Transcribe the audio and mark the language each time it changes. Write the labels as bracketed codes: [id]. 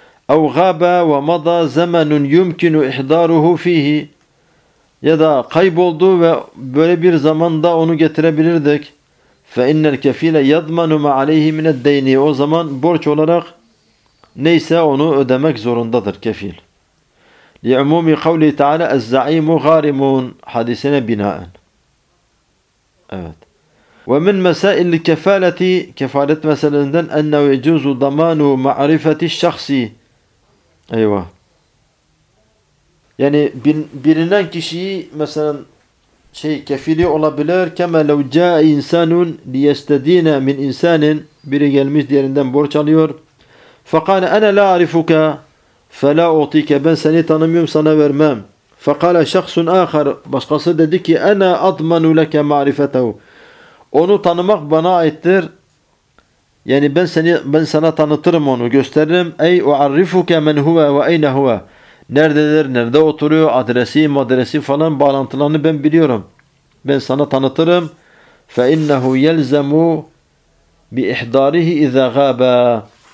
[ar] اَوْ غَابَ وَمَضَى زَمَنٌ يُمْكِنُ اِحْضَارُهُ ف۪يهِ. [tr] Ya da kayboldu ve böyle bir zamanda onu getirebilirdik. [ar] فَاِنَّ الْكَف۪يلَ يَضْمَنُ مَا عَلَيْهِ مِنَ الدَّيْنِ. [tr] O zaman borç olarak neyse onu ödemek zorundadır kefil. [ar] لِعْمُومِ قَوْلِ تَعَالَى اَزَّعِيمُ غَارِمُونَ [tr] hadisine binaen. Evet. [ar] وَمِنْ مَسَائِلِ الْكَفَالَةِ [tr] kefalet meselesinden [ar] اَنَّهُ يَجُوزُ ضَمَانُ مَعْرِفَةِ الشَّخْصِ. [tr] Eyvah. Yani bilinen kişiyi mesela kefili olabilir. [ar] كَمَا لَوْ جَاءَ اِنْسَانٌ لِيَسْتَد۪ينَ مِنْ اِنْسَانٍ. [tr] Biri gelmiş diğerinden borç alıyor. [ar] فَقَالَ اَنَا لَا اَعْرِفُكَ فَلَا اُعْطِيكَ. [tr] Ben seni tanımıyorum, sana vermem. [ar] فَقَالَ شَخْصٌ آخَرُ. [tr] Başkası dedi ki [ar] اَنَا اَضْمَنُ لَكَ مَعْرِفَتَهُ. [tr] Onu tanımak bana aittir. Yani ben sana tanıtırım onu, gösteririm. [ar] Ey uarrifuke men huve ve eyne huve. [tr] Nerededir, nerede oturuyor, adresi, madresi falan bağlantılarını ben biliyorum. Ben sana tanıtırım. [ar] Fe innehu yelzemu bi ihdarihi iza gaba.